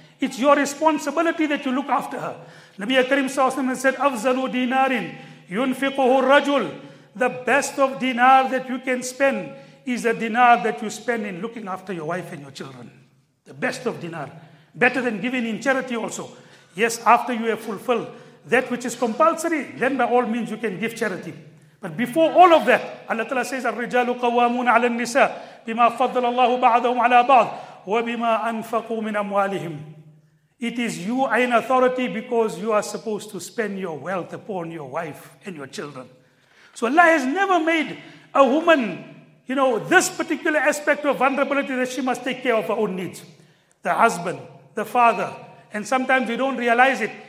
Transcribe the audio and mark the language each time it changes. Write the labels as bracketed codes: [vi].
[en] It's your responsibility that you look after her. Nabi Akram sallallahu alaihi wasallam said, [ar] afzalu dinarin yunfiquhu rajul, [en] the best of dinar that you can spend is the dinar that you spend in looking after your wife and your children. The best of dinar. Better than giving in charity also. Yes, after you have fulfilled that which is compulsory, then by all means you can give charity. But before all of that, Allah Ta'ala says, [ar] الرجال قوامون على النساء بما فضل الله بعضهم على بعض وبما أنفقوا من أموالهم. [en] It is you are in authority because you are supposed to spend your wealth upon your wife and your children. So Allah has never made a woman, you know, this particular aspect of vulnerability that she must take care of her own needs. The husband, the father, and sometimes we don't realize it.